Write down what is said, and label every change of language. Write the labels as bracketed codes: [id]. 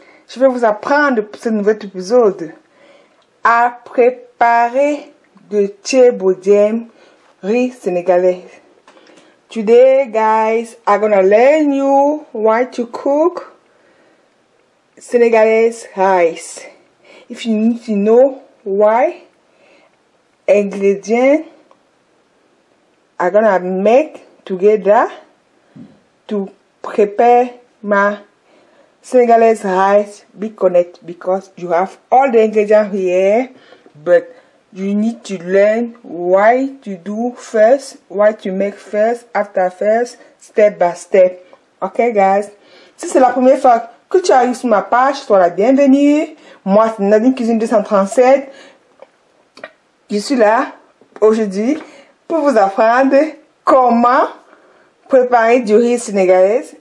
[fr] Je vais vous apprendre pour ce nouvel épisode à préparer le thé bodiem riz sénégalais. [en] Today guys, I'm gonna learn you why to cook Senegalese rice. If you need to know why ingredients are gonna make together to prepare my Senegalese rice, be connected because you have all the ingredients here, but you need to learn why to do first, why to make first, after first, step by step. Okay guys, [fr] si c'est la première fois que tu arrives sur ma page, sois la bienvenue. Moi c'est Nadine Cuisine 237. Je suis là aujourd'hui pour vous apprendre comment préparer du riz sénégalais.